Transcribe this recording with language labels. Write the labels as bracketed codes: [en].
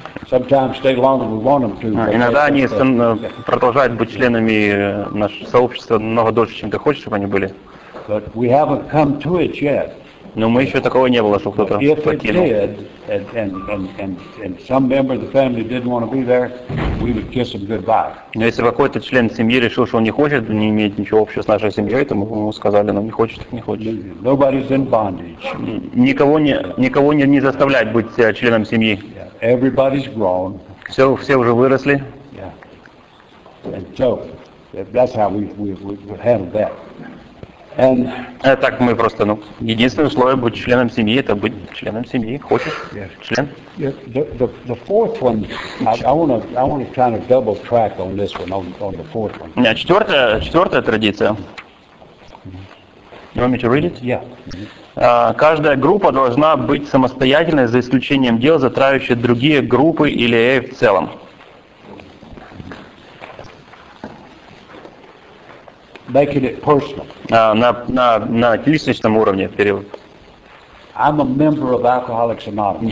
[en] Sometimes stay longer than we want them to. [ru] Иногда они продолжают быть членами нашего сообщества намного дольше, чем ты хочешь, чтобы они были. [en] But we haven't come to it yet. [ru] Но мы еще такого не было, чтобы кто-то покинул. [en] If it did, and some member of the family didn't want to be there, we would kiss them goodbye. [ru] Но если какой-то член семьи решил, что он не хочет, не имеет ничего общего с нашей семьей, то мы ему сказали, ну не хочет, не хочет. [en] Nobody's in bondage. [ru] Никого не заставляют быть членом семьи. [en] Everybody's grown. [ru] Все уже выросли. [en] Yeah. And so that's how we handle that. [ru] Так мы просто, единственное условие быть членом семьи, это быть членом семьи. Хочешь? [en] Yes. [ru] Член? [en] The fourth one, I want to kind of double track on this one, on the fourth one. [ru] Yeah, четвертая традиция. [en] You want me to read it? Yeah. [ru] Каждая группа должна быть самостоятельной, за исключением дел, затрагивающих другие группы или в целом. [en] Making it personal. [ru] На личностном уровне период. [en] I'm a member of Alcoholics Anonymous.